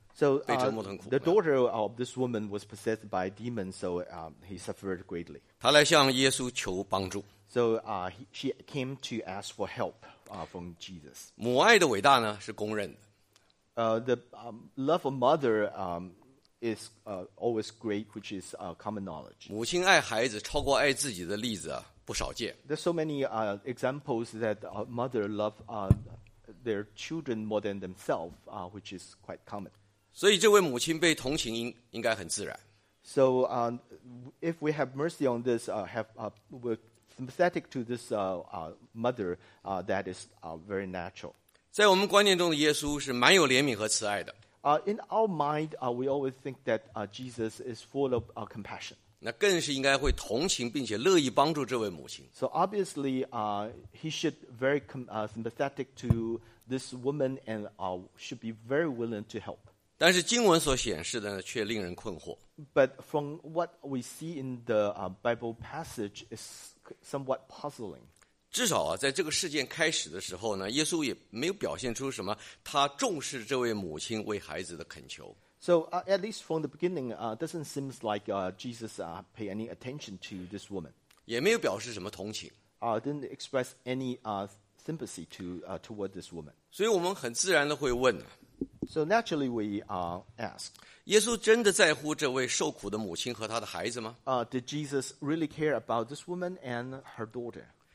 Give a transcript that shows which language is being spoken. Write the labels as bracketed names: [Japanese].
[English] So the daughter of this woman was possessed by a demon, so he suffered greatly. [Chinese] 她来向耶稣求帮助。 [English] So she came to ask for help from Jesus. [Chinese] 母爱的伟大呢是公认的。 [English] The love of mother is always great, which is common knowledge. [Chinese] 母亲爱孩子超过爱自己的例子不少见。 [English] There's so many examples that a mother love their children more than themselves, which is quite common. [Chinese] 所以这位母亲被同情应该很自然。 [English] So if we have mercy on this, we're sympathetic to this mother, that is very natural. [Chinese] 在我们观念中的耶稣是蛮有怜悯和慈爱的。 [English] In our mind, we always think that Jesus is full of compassion. [Chinese] 那更是应该会同情并且乐意帮助这位母亲。 [English] So obviously, he should very sympathetic to this woman and should be very willing to help. [Chinese] 但是经文所显示的却令人困惑。 [English] But from what we see in the Bible passage, it's somewhat puzzling. [Chinese] 至少在这个事件开始的时候呢，耶稣也没有表现出什么他重视这位母亲为孩子的恳求。 [English] So at least from the beginning, doesn't seem like Jesus pay any attention to this woman. [Chinese] 也没有表示什么同情。 [English] Didn't express any sympathy to toward this woman. [Chinese] 所以我们很自然的会问。 [English] So naturally, we ask, [Chinese] 耶稣真的在乎这位受苦的母亲和他的孩子吗？ [English] Did Jesus really care about this woman and her daughter?